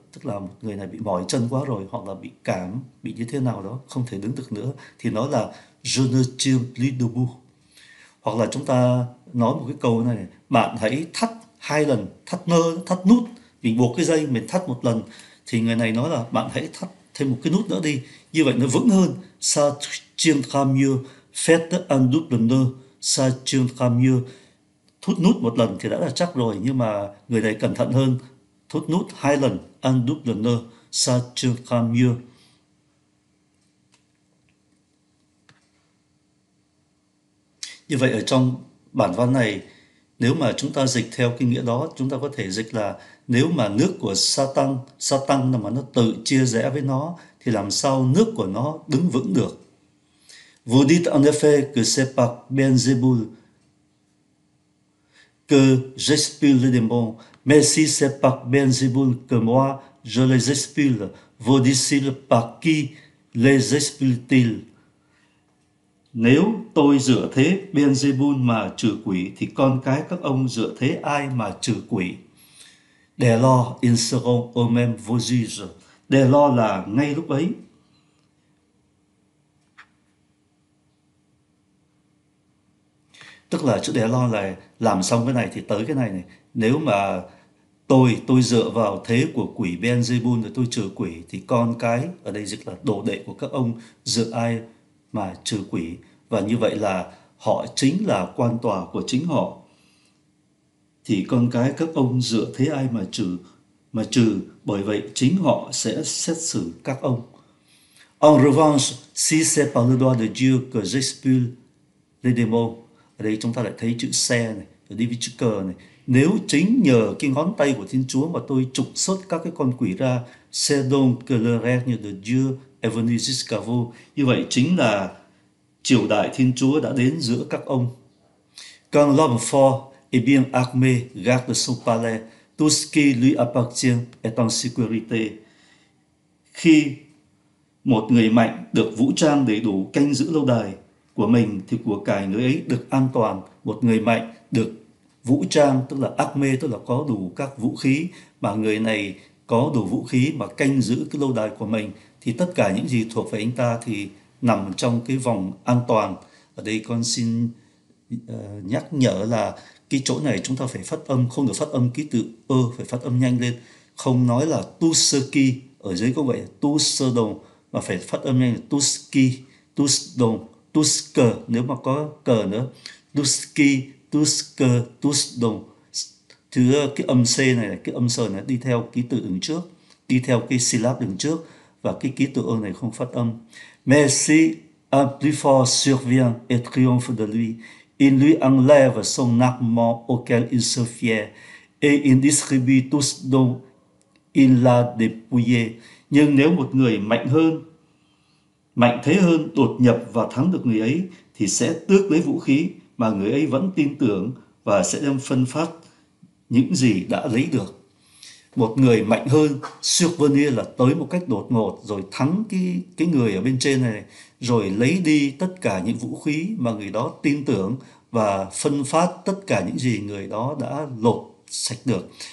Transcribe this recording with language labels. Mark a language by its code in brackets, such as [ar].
[vi] Tức là một người này bị mỏi chân quá rồi, hoặc là bị cảm, bị như thế nào đó, không thể đứng được nữa. Thì nó là [fr] je ne tiens plus debout. [vi] Hoặc là chúng ta nói một cái câu này, bạn hãy thắt hai lần, thắt nơ, thắt nút, mình buộc cái dây, mình thắt một lần. Thì người này nói là bạn hãy thắt thêm một cái nút nữa đi, như vậy nó vững hơn. [fr] Ça tient quand même, faites un double nœud, ça tient quand même. [vi] Thút nút một lần thì đã là chắc rồi, nhưng mà người này cẩn thận hơn, thút nút hai lần, [fr] un double nœud, ça tient quand même. [vi] Như vậy ở trong bản văn này, nếu mà chúng ta dịch theo cái nghĩa đó, chúng ta có thể dịch là nếu mà nước của Satan là mà nó tự chia rẽ với nó, thì làm sao nước của nó đứng vững được? [fr] Vous dites en effet que c'est par Beelzebul que j'expulse les démons, mais si c'est par Beelzebul que moi je les expulse, vous dites-il par qui les expulse-t-il? [vi] Nếu tôi dựa thế Beelzebul mà trừ quỷ thì con cái các ông dựa thế ai mà trừ quỷ? [fr] Dès lors, ils seront eux-mêmes vos juges. [vi] Dès lors là ngay lúc ấy. Tức là chữ dès lors là làm xong cái này thì tới cái này này. Nếu mà tôi dựa vào thế của quỷ Beelzebul rồi tôi trừ quỷ thì con cái ở đây dịch là đồ đệ của các ông dựa ai mà trừ quỷ, và như vậy là họ chính là quan tòa của chính họ. Thì con cái các ông dựa thế ai mà trừ, bởi vậy chính họ sẽ xét xử các ông. [fr] En revanche, si c'est par le droit de Dieu que j'expulse les démons, [vi] ở đây chúng ta lại thấy chữ se này, ở đây với chữ cờ này, nếu chính nhờ cái ngón tay của Thiên Chúa mà tôi trục xuất các cái con quỷ ra, [fr] c'est donc que le règne de Dieu est venu jusqu'à vous, [vi] như vậy chính là triều đại Thiên Chúa đã đến giữa các ông. [fr] Quand l'homme fort est bien armé garde son palais, tout ce qui lui appartient est en sécurité. [vi] Khi một người mạnh được vũ trang đầy đủ canh giữ lâu đài của mình thì của cải người ấy được an toàn. Một người mạnh được vũ trang tức là armé, tức là có đủ các vũ khí, mà người này có đủ vũ khí mà canh giữ cái lâu đài của mình thì tất cả những gì thuộc về anh ta thì nằm trong cái vòng an toàn. Ở đây con xin nhắc nhở là cái chỗ này chúng ta phải phát âm, không được phát âm ký tự ơ, phải phát âm nhanh lên, không nói là Tuski ở dưới có vậy Tusodon, mà phải phát âm nhanh là Tuski, Tusodon, Tusker, nếu mà có cờ nữa Tuski, Tusker, Tusodon. Thứ cái âm C này, cái âm S này đi theo ký tự đứng trước, đi theo cái syllab đứng trước, và cái ký tự ơ này không phát âm. [fr] Mais si un plus fort survient et triomphe de lui, il lui enlève son armement auquel il se fiait et il distribue tout ce dont il l'a dépouillé. [vi] Nhưng nếu một người mạnh hơn, mạnh thế hơn đột nhập và thắng được người ấy thì sẽ tước lấy vũ khí mà người ấy vẫn tin tưởng và sẽ đem phân phát những gì đã lấy được. Một người mạnh hơn Survenir là tới một cách đột ngột rồi thắng cái người ở bên trên này, rồi lấy đi tất cả những vũ khí mà người đó tin tưởng và phân phát tất cả những gì người đó đã lột sạch được.